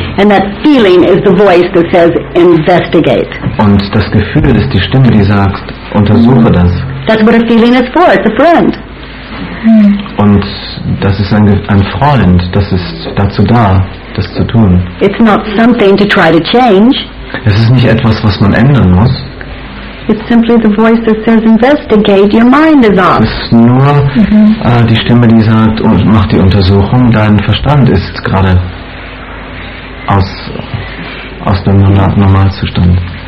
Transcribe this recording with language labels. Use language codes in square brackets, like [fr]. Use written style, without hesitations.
[en] And that feeling is the voice that says, investigate. [de] Und das Gefühl ist die Stimme, die sagt, untersuche das. [en] That's what a feeling is for, it's a friend. [de] Und das ist ein Freund, das ist dazu da, das zu tun. [en] It's not something to try to change. [de] Es ist nicht etwas, was man ändern muss. [en] It's simply the voice that says, investigate, your mind is off. [de] Es ist nur die Stimme, die sagt, mach die Untersuchung, dein Verstand ist gerade aus dem Normalzustand.